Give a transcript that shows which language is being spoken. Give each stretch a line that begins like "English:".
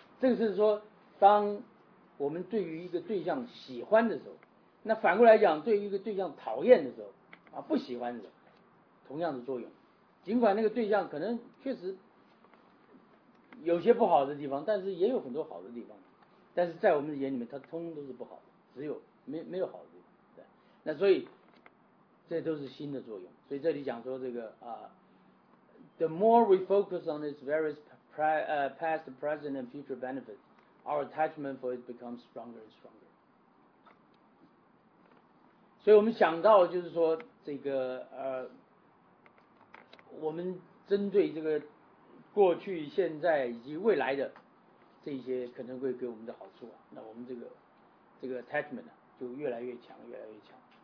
Chinese: 这个是说，当我们对于一个对象喜欢的时候，那反过来讲，对于一个对象讨厌的时候，啊，不喜欢的时候，同样的作用。尽管那个对象可能确实有些不好的地方，但是也有很多好的地方，但是在我们的眼里面，它通通都是不好的，只有没有好的地方。对，那所以这都是心的作用。所以这里讲说这个啊，
English: The more we focus on its various past, present, and future benefits, our attachment for it becomes stronger and stronger.
Chinese: 所以我们想到就是说这个我们针对这个过去、现在以及未来的这些可能会给我们的好处啊，那我们这个 attachment 啊就越来越强，越来越强。